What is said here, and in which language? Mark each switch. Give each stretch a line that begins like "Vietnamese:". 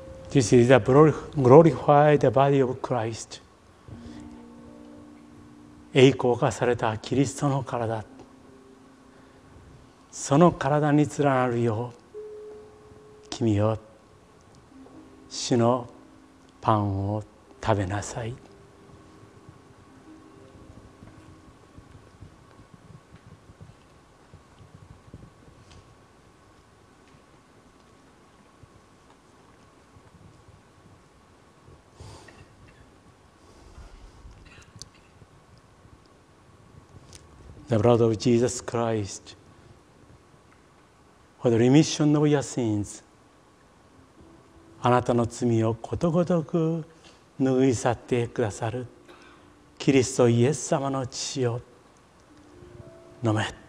English: This is a glorified body of Christ.
Japanese: 栄光化されたキリストの体。その体に連なるよ、君よ、主のパンを食べなさい。
English: The blood of Jesus Christ for the remission of your sins.
Japanese: あなたの罪をことごとく拭い去ってくださるキリストイエス様の血を飲め。